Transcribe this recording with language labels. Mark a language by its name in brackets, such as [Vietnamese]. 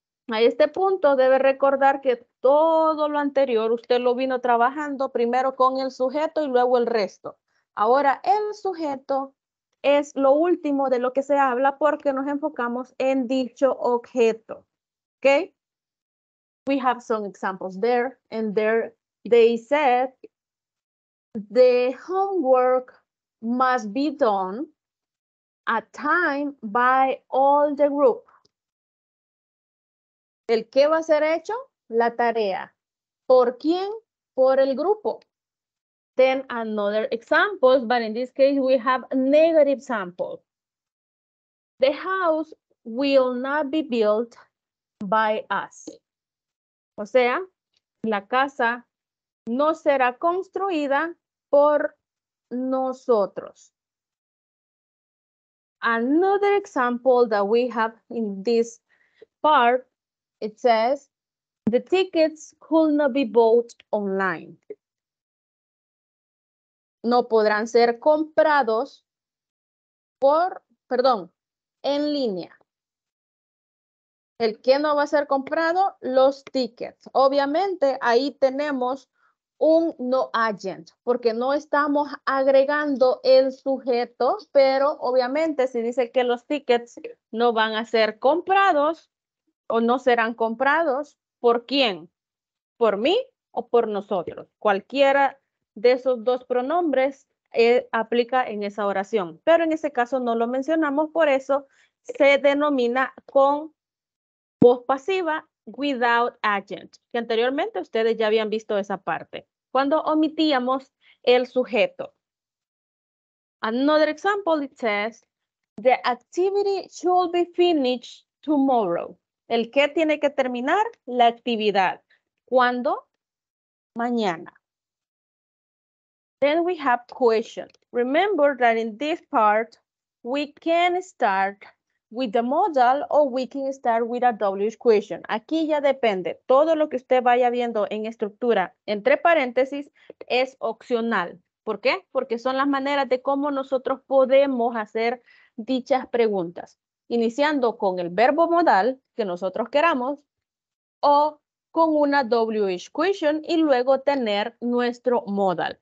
[Spanish] A este punto debe recordar que todo lo anterior usted lo vino trabajando primero con el sujeto y luego el resto. Ahora el sujeto es lo último de lo que se habla porque nos enfocamos en dicho objeto. [English] Okay? We have some examples there. And there they said the homework must be done at time by all the group. [Spanish] ¿El qué va a ser hecho? La tarea. ¿Por quién? Por el grupo. [English] Then another example, but in this case we have a negative sample. The house will not be built by us. [Spanish] O sea, la casa no será construida por nosotros. [English] Another example that we have in this part, it says, the tickets could not be bought online. [Spanish] No podrán ser comprados en línea. ¿El qué no va a ser comprado? Los tickets. Obviamente, ahí tenemos un no agent, porque no estamos agregando el sujeto, pero obviamente si dice que los tickets no van a ser comprados o no serán comprados, ¿por quién? ¿Por mí o por nosotros? Cualquiera de esos dos pronombres aplica en esa oración, pero en ese caso no lo mencionamos, por eso se denomina con voz pasiva, without agent, que anteriormente ustedes ya habían visto esa parte, cuando omitíamos el sujeto. [English] Another example, it says, the activity should be finished tomorrow. [Spanish] ¿El qué tiene que terminar? La actividad. ¿Cuándo? Mañana. [English] Then we have question. Remember that in this part, we can start with the modal or we can start with a WH question. [Spanish] Aquí ya depende. Todo lo que usted vaya viendo en estructura, entre paréntesis, es opcional. ¿Por qué? Porque son las maneras de cómo nosotros podemos hacer dichas preguntas. Iniciando con el verbo modal que nosotros queramos o con una WH question y luego tener nuestro modal.